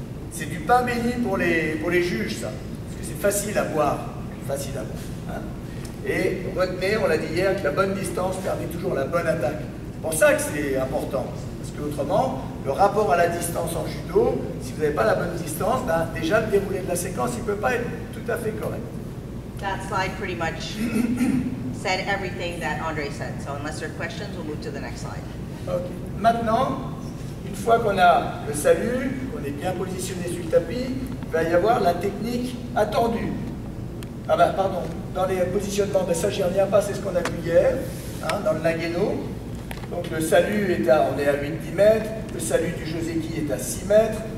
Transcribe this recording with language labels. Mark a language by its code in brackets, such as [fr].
[fr] C'est du pain béni pour les juges, ça. Parce que c'est facile à voir. Facile à voir. Et retenez, on l'a dit hier, que la bonne distance permet toujours la bonne attaque. C'est pour ça que c'est important. Parce que autrement, le rapport à la distance en judo, si vous n'avez pas la bonne distance, ben déjà le déroulé de la séquence, il ne peut pas être tout à fait correct. [en] That slide pretty much said everything that André said. So unless there are questions, we'll move to the next slide. Ok. [fr] Maintenant, une fois qu'on a le salut, qu'on est bien positionné sur le tapis, il va y avoir la technique attendue. Ah ben, pardon. Dans les positionnements, ben ça j'y reviens pas, c'est ce qu'on a vu hier, hein, dans le Nageno. Donc le salut, on est à 8-10 mètres, le salut du Joseki est à 6 mètres.